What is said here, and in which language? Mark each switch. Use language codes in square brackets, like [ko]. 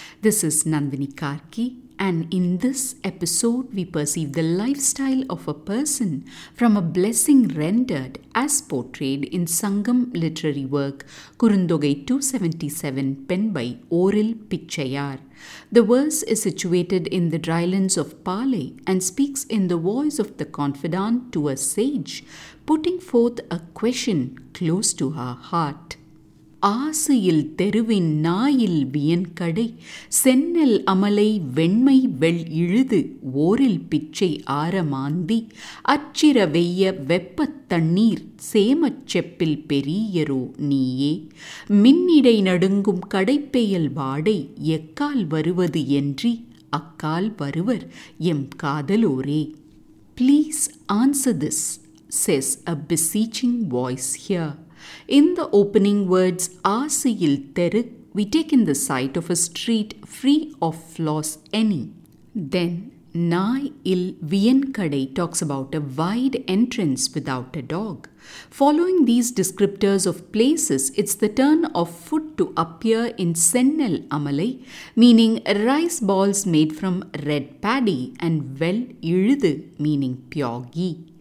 [en] This is Nandini Karki, and in this episode we perceive the lifestyle of a person from a blessing rendered as portrayed in Sangam literary work Kurundogai 277 penned by Oril Pichaiyar. The verse is situated in the drylands of Pale and speaks in the voice of the confidant to a sage, putting forth a question close to her heart. [ta] ஆசையில் தெருவின் நாயில் வியன் கடை சென்னல் அமலை வெண்மை வெள் இழுது ஓரில் பிச்சை ஆரமாந்தி அச்சிர வெய்ய வெப்பத் தண்ணீர் சேமச் செப்பில் பெரியரோ நீயே மின்னிடை நடுங்கும் கடைப்பெயல் வாடை எக்கால் வருவது என்றி அக்கால் வருவர் M காதலோரே. [en] Please answer this, says a beseeching voice here. In the opening words, Aasiyil Theru, we take in the sight of a street free of flaws any. Then, Nai Il Vien Kadai talks about a wide entrance without a dog. Following these descriptors of places, it's the turn of food to appear in Sennel Amalai, meaning rice balls made from red paddy, and Vel Iludu, meaning pure ghee.